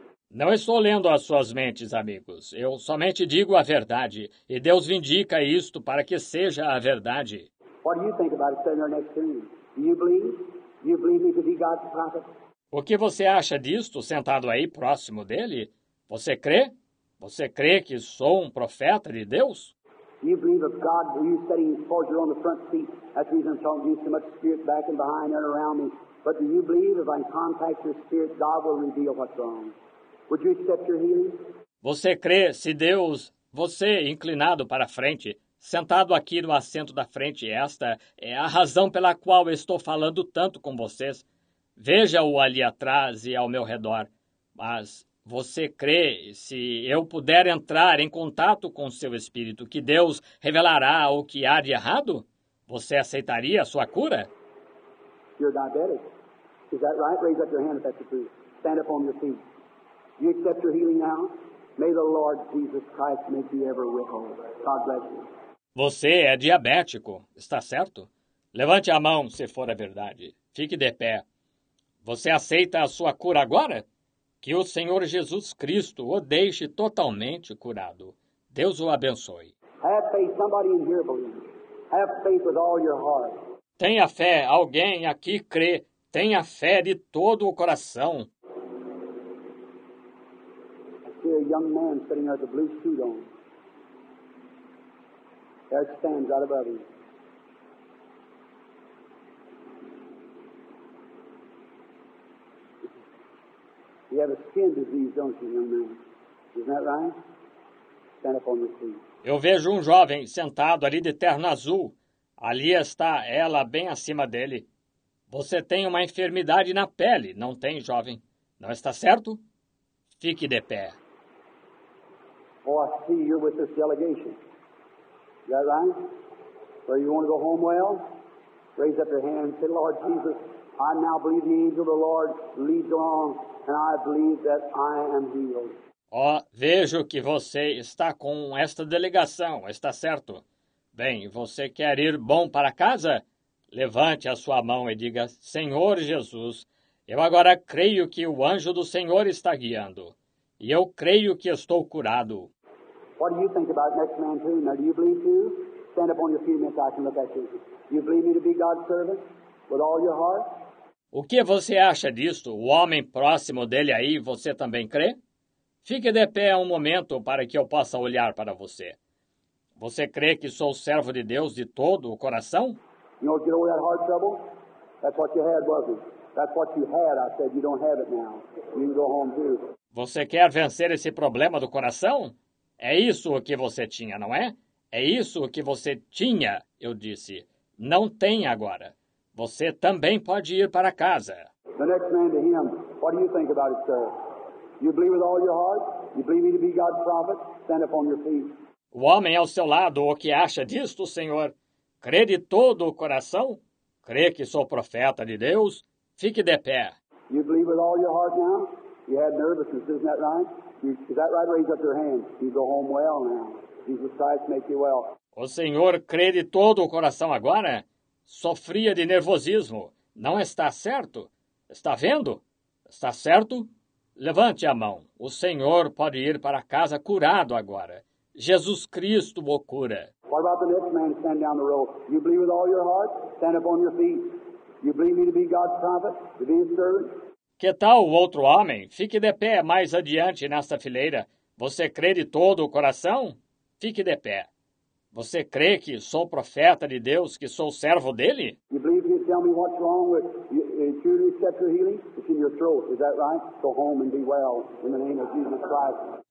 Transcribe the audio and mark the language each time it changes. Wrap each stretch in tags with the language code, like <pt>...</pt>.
<pt>Não estou lendo as suas mentes, amigos. Eu somente digo a verdade. E Deus vindica isto para que seja a verdade.</pt> <en>What do you think about it, sitting there next to me? Do you believe? Do you believe me to be God's prophet?</en> <pt>O que você acha disto sentado aí próximo dele? Você crê? Você crê que sou um profeta de Deus?</pt> <en>Do you believe of God? Are you sitting forward on the front seat? That's the reason I'm talking to you so much spirit back and behind and around me. But do you believe if I contact your spirit, God will reveal what's wrong? Would you accept your healing?</en> <pt>Você crê se Deus, você inclinado para frente, sentado aqui no assento da frente, esta é a razão pela qual estou falando tanto com vocês. Veja-o ali atrás e ao meu redor. Mas você crê, se eu puder entrar em contato com seu espírito, que Deus revelará o que há de errado? Você aceitaria a sua cura?</pt> <en>You're diabetic. Is that right? Raise up your hand if that's the truth. Stand up on your feet. Do you accept your healing now? May the Lord Jesus Christ make you ever well. God bless you.</en> <pt>Você é diabético, está certo? Levante a mão, se for a verdade. Fique de pé. Você aceita a sua cura agora? Que o Senhor Jesus Cristo o deixe totalmente curado. Deus o abençoe.</pt> <en>Have faith. Somebody in here believes. Have faith with all your heart.</en> <pt>Tenha fé. Alguém aqui crê. Tenha fé de todo o coração.</pt> <en>I see a young man sitting with a blue suit on. There it stands right above him. You have a skin disease, don't you, young man? Isn't that right? Stand up on your feet.</en> <pt>Eu vejo um jovem sentado ali de terno azul. Ali está ela, bem acima dele. Você tem uma enfermidade na pele, não tem, jovem? Não está certo? Fique de pé.</pt> <en>Oh, I see you with this delegation. Is that right? So you want to go home well? Raise up your hand and say, Lord Jesus, I now believe the angel of the Lord leads on, and I believe that I am healed.</en> <pt>Oh, vejo que você está com esta delegação, está certo? Bem, você quer ir bom para casa? Levante a sua mão e diga, Senhor Jesus, eu agora creio que o anjo do Senhor está guiando. E eu creio que estou curado.</pt> <en>What do you think about next man too? Now, do you believe too? Stand up on your feet and I can look at you. Do you believe me to be God's servant with all your heart?</en> <pt>O que você acha disto? O homem próximo dele aí, você também crê? Fique de pé um momento para que eu possa olhar para você. Você crê que sou servo de Deus de todo o coração?</pt> <en>You don't get over that heart trouble? That's what you had, wasn't it? That's what you had, I said. You don't have it now. You can go home too.</en> <pt>Você quer vencer esse problema do coração? É isso o que você tinha, não é? É isso o que você tinha, eu disse. Não tem agora. Você também pode ir para casa.</pt> <en>The next man to him, what do you think about it, sir? You believe with all your heart? You believe me to be God's prophet? Stand up on your feet.</en> <pt>O homem ao seu lado, o que acha disto, senhor? Crê de todo o coração? Crê que sou profeta de Deus? Fique de pé.</pt> <en>You believe with all your heart now? You had nervousness, isn't that right? Is that right? Raise up your hand. You go home well now. Jesus Christ make you well.</en> <pt>O senhor crê de todo o coração agora? Sofria de nervosismo. Não está certo? Está vendo? Está certo? Levante a mão. O senhor pode ir para casa curado agora. Jesus Cristo o cura.</pt> <en>What about the next man stand down the road? You believe with all your heart? Stand up on your feet. You believe me to be God's prophet, to be his servant?</en> <pt>Que tal o outro homem? Fique de pé mais adiante nesta fileira. Você crê de todo o coração? Fique de pé. Você crê que sou profeta de Deus, que sou servo dele?</pt> <en>You believe me to tell me what's wrong with you, you accept your healing? It's in your throat, is that right? Go home and be well in the name of Jesus Christ.</en>